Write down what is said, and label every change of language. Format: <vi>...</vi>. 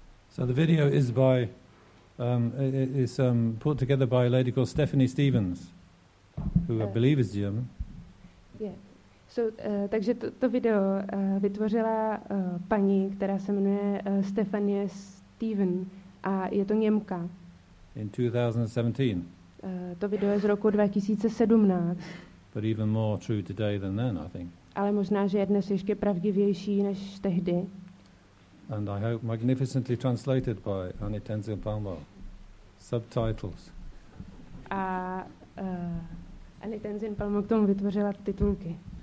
<en>So the video is by put together by a lady called Stephanie Stevens, who I believe is German. Yeah.</en> <cs>So takže to video vytvořila paní, která se jmenuje Stephanie Steven a je to Němka.</cs> <en>In 2017.</en> <cs>To video je z roku 2017.</cs> <en>But even more true today than then, I think.</en> <cs>Ale možná, že je dnes ještě pravdivější než tehdy.</cs> <en>And I hope magnificently translated by Annie Tenzin Palmo. Subtitles.</en> <cs>A Annie Tenzin Palmo k tomu vytvořila titulky.</cs>